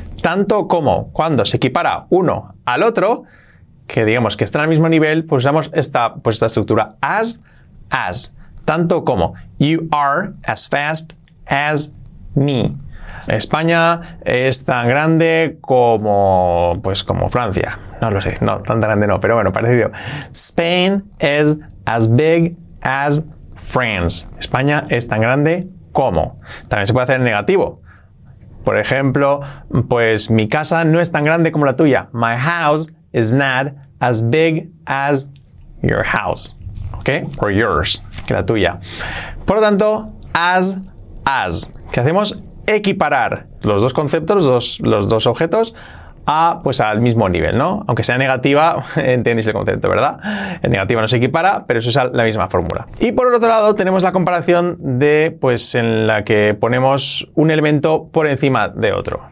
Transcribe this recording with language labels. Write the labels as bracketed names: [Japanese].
[Spanish] Tanto como, cuando se equipara uno al otro, que digamos que están al mismo nivel, pues usamos esta estructura as, tanto como. [English] You are as fast as me. [Spanish] España es tan grande como, pues, como Francia. No lo sé, no, tan grande no, pero bueno, parecido. [English] Spain is as big as France. [Spanish] España es tan grande como. También se puede hacer en negativo. Por ejemplo, pues, mi casa no es tan grande como la tuya. [English] My house is not as big as your house, ¿ok? Or yours, [Spanish] que la tuya. Por lo tanto, as, que hacemos equiparar los dos conceptos, los dos objetos, a, pues, al mismo nivel, ¿no? Aunque sea negativa, entendéis el concepto, ¿verdad? En negativa no se equipara, pero se usa la misma fórmula. Y por el otro lado, tenemos la comparación de, pues, en la que ponemos un elemento por encima de otro.